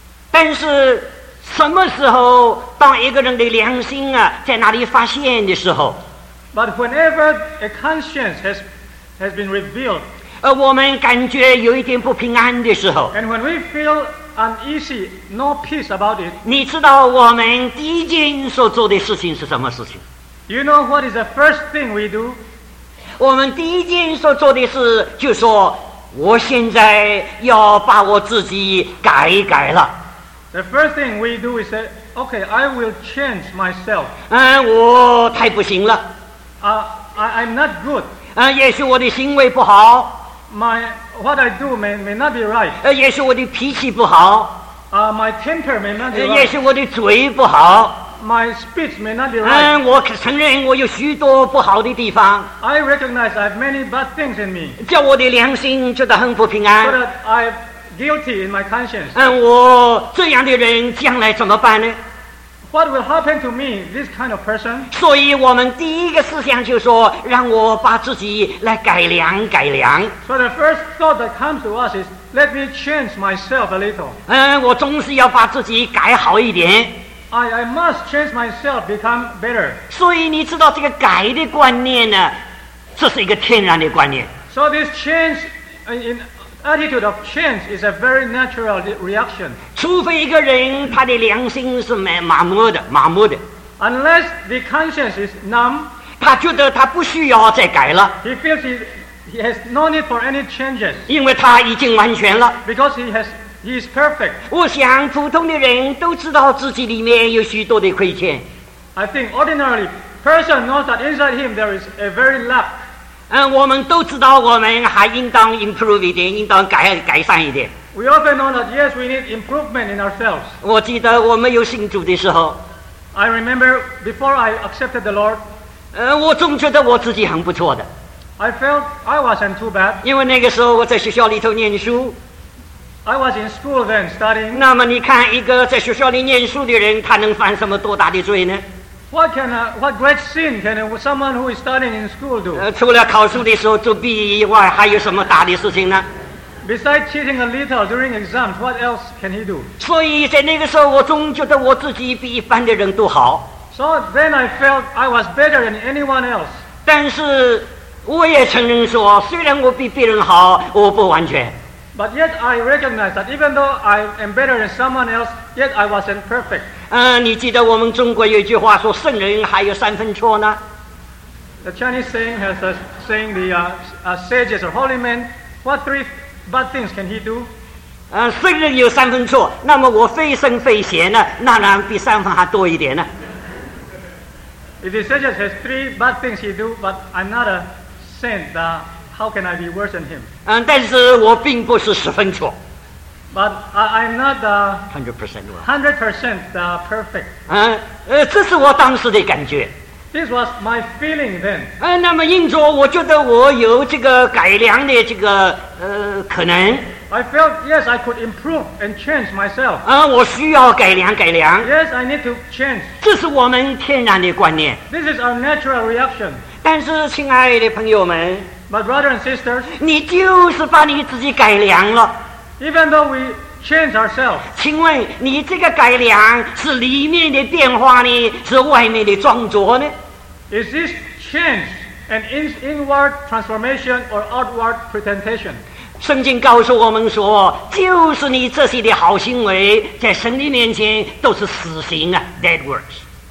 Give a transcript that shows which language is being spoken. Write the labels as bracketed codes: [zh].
[zh] 但是什么时候当一个人的良心啊在那里发现的时候？ [en] But whenever a conscience has been revealed, [zh] 我们感觉有一点不平安的时候， [en] and when we feel uneasy, no peace about it, [zh] 你知道我们第一件所做的事情是什么事情？ [en] You know what is the first thing we do? [zh] 我们第一件所做的事就说，我现在要把我自己改一改了。 [en] The first thing we do is say, okay, I will change myself. [zh] 我太不行了。 [en] I'm not good. [zh] 也许我的行为不好。 [en] What I do may not be right. [zh] 也许我的脾气不好。 [en] My temper may not be right. [zh] 也许我的嘴不好。 [en] My speech may not be right. [zh] 我可承认我有许多不好的地方。 [en] I recognize I have many bad things in me. [zh] 叫我的良心觉得很不平安。 [en] But I am guilty in my conscience. [zh] 我这样的人将来怎么办呢？ [en] What will happen to me, this kind of person? [zh] 所以我们第一个思想就是说，让我把自己来改良改良。 [en] So the first thought that comes to us is, let me change myself a little. [zh] 我总是要把自己改好一点。 [en] I must change myself, become better. [zh] 所以你知道这个改的观念呢，这是一个天然的观念。 [en] So this change in attitude of change is a very natural reaction. [zh] 除非一个人他的良心是麻木的。 [en] Unless the conscience is numb, [zh] 他觉得他不需要再改了。 [en] He feels he has no need for any changes. [zh] 因为他已经完全了。 [en] Because he is perfect. [zh] 我想普通的人都知道自己里面有许多的亏欠。 [en] I think ordinarily, person knows that inside him there is a very lack. [zh] 我们都知道我们还应当 improve 一点，应当改善一点。 [en] We often know that yes, we need improvement in ourselves. [zh] 我记得我没有信主的时候。 [en] I remember before I accepted the Lord. [zh] 我总觉得我自己很不错的。 [en] I felt I wasn't too bad. [zh] 因为那个时候我在学校里头念书。 [en] I was in school then studying. [zh] 那么你看一个在学校里念书的人，他能犯什么多大的罪呢？ [en] What great sin can someone who is studying in school do? [zh] 除了考试的时候作弊以外，还有什么大的事情呢？ [en] Besides cheating a little during exams, what else can he do? [zh] 所以在那个时候，我总觉得我自己比一般的人都好。 [en] So then I felt I was better than anyone else. [zh] 但是我也承认说，虽然我比别人好，我不完全。 [en] But yet I recognize that even though I am better than someone else, yet I wasn't perfect. [zh] 你记得我们中国有一句话说，圣人还有三分错呢。 [en] The Chinese saying has a saying, sages or holy men, what three bad things can he do? [zh] 圣人有三分错，那么我非圣非贤呢，那然比三分还多一点呢。 [en] If the sages has three bad things he do, but I'm not a saint, how can I be worse than him? [zh] 但是我并不是十分错。 [en] But I'm not the 100% percent perfect. [zh] 这是我当时的感觉。 [en] This was my feeling then. [zh] 那么因着我觉得我有这个改良的这个可能。 [en] I felt yes, I could improve and change myself. [zh] 我需要改良。 [en] Yes, I need to change. [zh] 这是我们天然的观念。 [en] This is our natural reaction. [zh] 但是亲爱的朋友们。 [en] But brothers and sisters, [zh] 你就是把你自己改良了。 [en] Even though we change ourselves, [zh] 请问你这个改良是里面的变化呢，是外面的装着呢？ [en] Is this change an inward transformation or outward presentation? [zh] 圣经告诉我们说，就是你这些的好行为，在神的面前都是死刑啊， [en] dead works.